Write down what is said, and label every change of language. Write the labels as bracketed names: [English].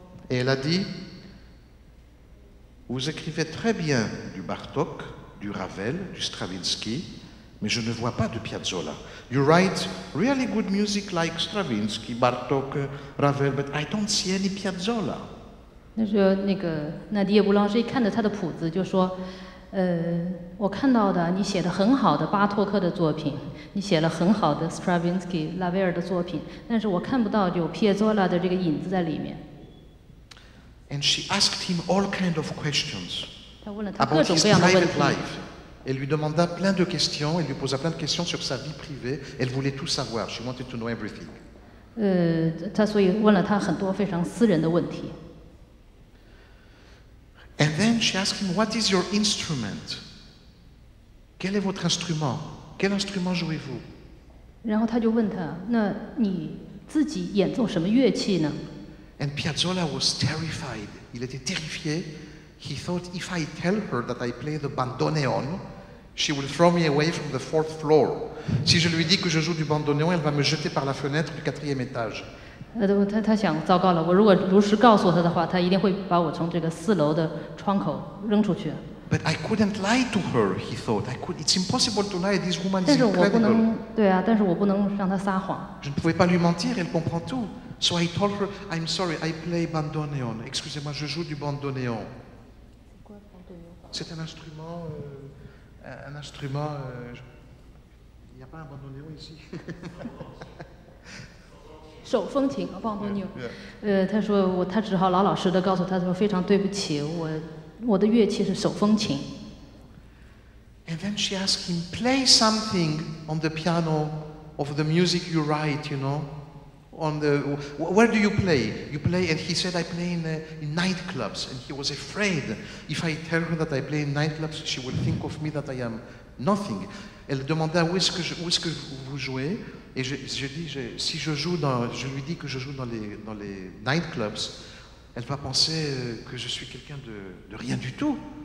[French] et elle a dit, vous écrivez très bien du Bartók, du Ravel, du Stravinsky, mais je ne vois pas de Piazzolla. [English] You write really good music like Stravinsky, Bartók, Ravel, but I don't see any Piazzolla. [Chinese] 那时候那个纳迪亚布朗什看着他的谱子就说，我看到的你写的很好的巴托克的作品，你写了很好的 Stravinsky、拉威尔的作品，但是我看不到有皮耶佐拉的这个影子在里面。 [English] And she asked him all kind of questions. [Chinese] 他问了他各种各样的问题。 [English] About his private life. [French] Elle lui demanda plein de questions, elle lui posa plein de questions sur sa vie privée, elle voulait tout savoir, [English] she wanted to know everything. [Chinese] 他所以问了他很多非常私人的问题。 [English] And then she asked him, what is your instrument? [French] Quel est votre instrument? Quel instrument jouez-vous? [Chinese] 然后他就问他，那你自己演奏什么乐器呢？ [English] And Piazzolla was terrified. [French] Il était terrifié. [English] He thought, if I tell her that I play the bandoneon, she will throw me away from the fourth floor. [French] Si je lui dis que je joue du bandoneon, elle va me jeter par la fenêtre du quatrième étage. [Chinese] 他想，糟糕了，我如果如实告诉他的话，他一定会把我从这个四楼的窗口扔出去。 [English] But I couldn't lie to her, he thought. I could. It's impossible to lie. This woman is incredible. [Chinese] 但是我不能，对啊，但是我不能让她撒谎。 [French] Je ne pouvais pas lui mentir. Elle comprend tout. [English] So I told her, "I'm sorry. I play bandoneon. [French] Excusez-moi, je joue du bandoneon." C'est quoi bandoneon? C'est un instrument. Un instrument. Il n'y a pas un bandoneon ici. [Chinese] 手风琴 bandoneon. 他说我他只好老老实的告诉他说非常对不起我。我的乐器是手风琴。 [English] And then she asked him, play something on the piano of the music you write, you know? On the, where do you play? You play, and he said, I play in nightclubs. And he was afraid. If I tell her that I play in nightclubs, she will think of me that I am nothing. [French] Elle demanda où est-ce que vous jouez? Et je lui dis que je joue dans les nightclubs, elle va penser que je suis quelqu'un de rien du tout.